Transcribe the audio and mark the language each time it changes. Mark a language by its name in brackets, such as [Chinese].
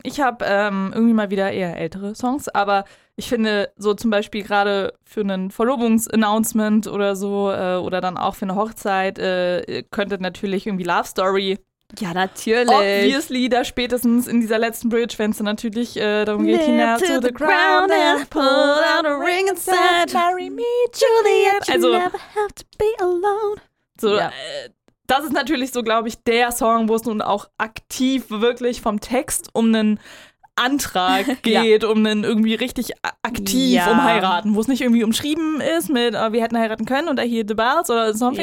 [German] Ich habe irgendwie mal wieder eher ältere Songs, aber ich finde so zum Beispiel gerade für einen Verlobungs-Announcement oder so oder dann auch für eine Hochzeit könnte natürlich irgendwie Love Story. Ja, natürlich. Obviously, da spätestens in dieser letzten Bridge, wenn es dann natürlich darum geht, Hina [English] to the ground and pull out a ring and said, marry me, Juliet, [German] also, [English] you never have to be alone. [German] So, ja. Das ist natürlich so, glaube ich, der Song, wo es nun auch aktiv wirklich vom Text um einen Antrag geht, ja. Um einen irgendwie richtig aktiv ja. Um heiraten, wo es nicht irgendwie umschrieben ist mit, oh, wir hätten heiraten können und [English] I hear the bells [German] oder something